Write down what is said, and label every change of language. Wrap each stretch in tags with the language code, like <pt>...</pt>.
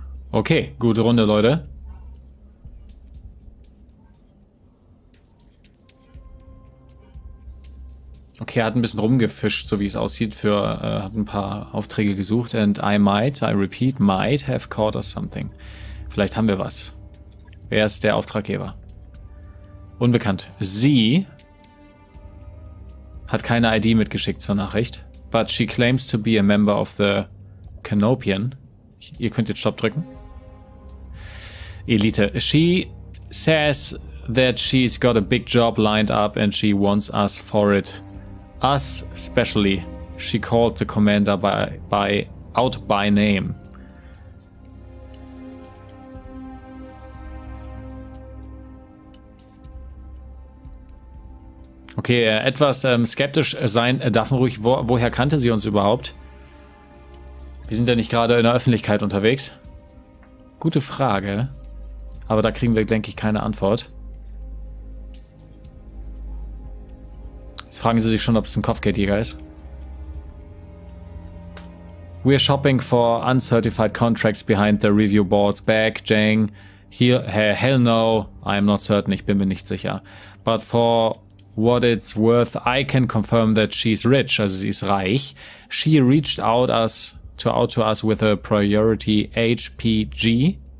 <de>Okay, gute Runde, Leute. Okay, er hat ein bisschen rumgefischt, so wie es aussieht, für hat ein paar Aufträge gesucht.</de> <en>And I might, I repeat, might have caught us something.</en> <de>Vielleicht haben wir was. Wer ist der Auftraggeber? Unbekannt. Sie hat keine ID mitgeschickt zur Nachricht.</de> <en>But she claims to be a member of the Canopian.</en> <de>Ihr könnt jetzt Stopp drücken.</de> <en>Elite. She says that she's got a big job lined up and she wants us for it. Us specially. She called the commander out by name.</en> <de>Okay, etwas skeptisch sein darf man ruhig. Woher kannte sie uns überhaupt? Wir sind ja nicht gerade in der Öffentlichkeit unterwegs. Gute Frage. Aber da kriegen wir, denke ich, keine Antwort. Jetzt fragen sie sich schon, ob es ein Kopfgeldjäger ist.</de> <en>We're shopping for uncertified contracts behind the review board's back, Jang. Hell no, I'm not certain,</en> <de>ich bin mir nicht sicher.</de> <en>But for what it's worth, I can confirm that she's rich,</en> <de>also sie ist reich.</de> <en>She reached out to us with a priority HPG.</en>